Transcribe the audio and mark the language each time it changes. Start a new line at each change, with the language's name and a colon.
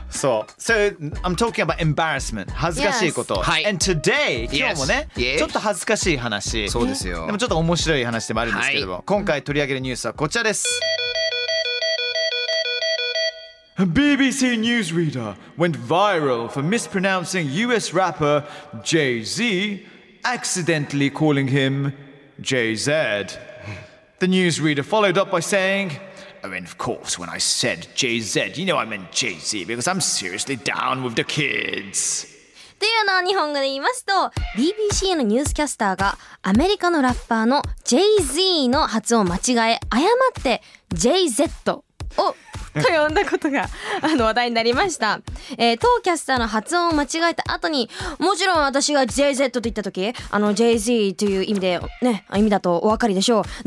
English: So, so I'm talking about embarrassment.
Japanese: 恥ずかしいこと。はい。
English: And today,
Japanese: 今日もね、
English: yes.
Japanese: ちょっと恥ずかしい話。そうですよ。でもちょっと面白い話でもあるんですけども、今回取り上げるニュースはこちらです。
English: BBC newsreader went viral for mispronouncing US rapper Jay-Z, accidentally calling him Jay-Z. The newsreader followed up by saying, I mean, of course, when I said Jay-Z, you know I meant Jay-Z because I'm seriously down with the kids.
Japanese: というのを日本語で言いますと、 BBC のニュースキャスターがアメリカのラッパーの Jay-Z の発音を間違え、誤って Jay-Z をと呼んだことが話題になりました、当キャスターの発音を間違えた後にもちろん私が JZ と言った時あの JZ という意味でね意味だとお分かりでしょう。